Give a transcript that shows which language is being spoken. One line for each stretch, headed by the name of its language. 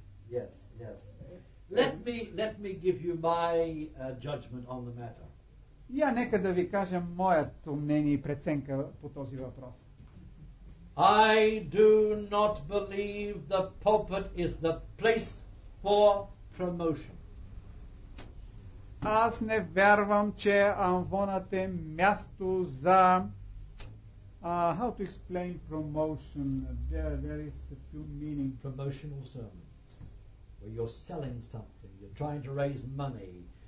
English: Yes. Let me give you my judgment on the matter.
Bulgarian: Я нека да ви кажа моето мнение и преценка по този въпрос.
English: I do not believe the pulpit is the place for promotion.
Bulgarian: Аз не вярвам, че амвонът е място за
English: how to explain promotion. There is a few meaning. Promotional sermons. Where you're selling something, you're trying to raise money.